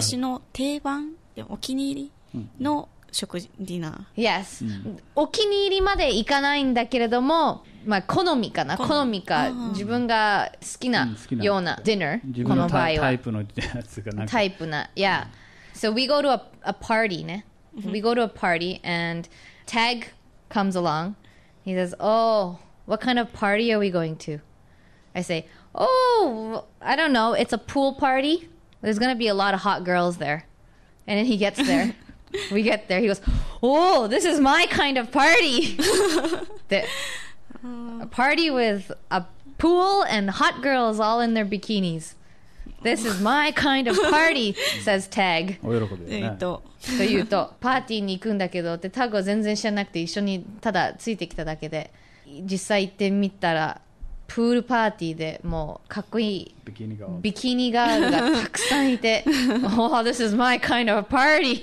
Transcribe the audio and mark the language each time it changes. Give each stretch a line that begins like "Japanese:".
Japanese: 私の定番、お気に入りの食事、ディナー。 Yes、お気に入りまで行かないんだけれども、まあ、好みかな、好みか、自分が好きなようなディナー、この場合は。タイプのやつかな。
English: タイプな、yeah. So we go to a party, ね。 We go to a party, and Tag comes along. He says, oh, what kind of party are we going to? I say, oh, I don't know, it's a pool party. There's gonna be a lot of hot girls there. And then he gets there. We get there, he goes, oh, this is my kind of party! A party with a pool and hot girls all in their bikinis. This is my kind of party, says Tag.
Japanese: お喜びだね。というと、パーティーに行くんだけど、でタグは全然知らなくて一緒にただついてきただけで、実際行ってみたら、プールパーティーでもうかっこいいビキニガール
English: がたくさんいて、oh, this is my kind of party!